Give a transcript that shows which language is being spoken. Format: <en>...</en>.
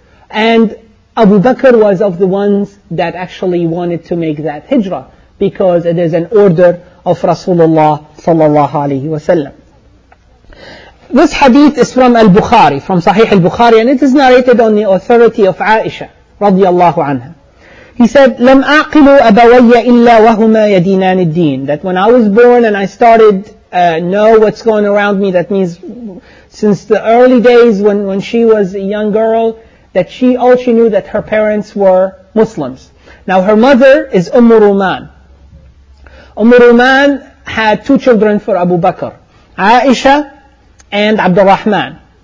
<en>And Abu Bakr was of the ones that actually wanted to make that hijrah, because it is an order of Rasulullah sallallahu alayhi wa sallam. this hadith is from Al-Bukhari, from Sahih Al-Bukhari, and it is narrated on the authority of Aisha, radiyallahu anha. He said,</en> <ar>لَمْ أَعْقِلُوا أَبَوَيَّ إِلَّا وَهُمَا يَدِينَانِ الدِّينِ.</ar> <en>That when I was born and I started know what's going around me, that means since the early days when she was a young girl, that she knew that her parents were Muslims. Now her mother is Ummu Ruman. Ummu Ruman had two children for Abu Bakr, Aisha and Abdurrahman.</en>